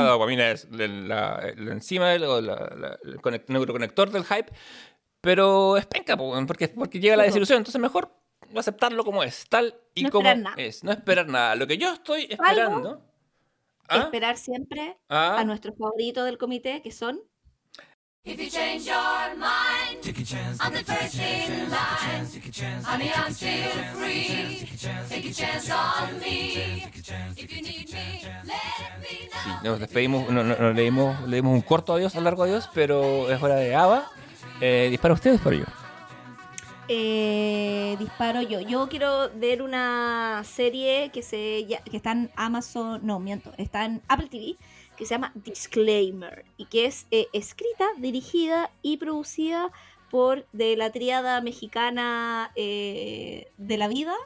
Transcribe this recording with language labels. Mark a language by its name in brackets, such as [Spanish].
[Spanish] La dopamina es la enzima, el neuroconector del hype, pero es penca porque llega la desilusión. Entonces mejor aceptarlo como es, tal y no como nada. Es. No esperar nada. Lo que yo estoy esperando... ¿Ah? Esperar siempre ¿Ah? A nuestro favorito del comité, que son... [English] If you change your mind, take a chance, I'm the first in line, honey, I'm still free, take a chance on me, if you need me, let me know. [Spanish] Sí, nos despedimos, no le dimos un corto adiós, un largo adiós, pero es hora de Ava. ¿Dispara usted o disparo yo? Disparo yo. Yo quiero ver una serie que está en Amazon, no, miento, está en Apple TV, que se llama Disclaimer, y que es escrita, dirigida y producida por de la tríada mexicana de la vida.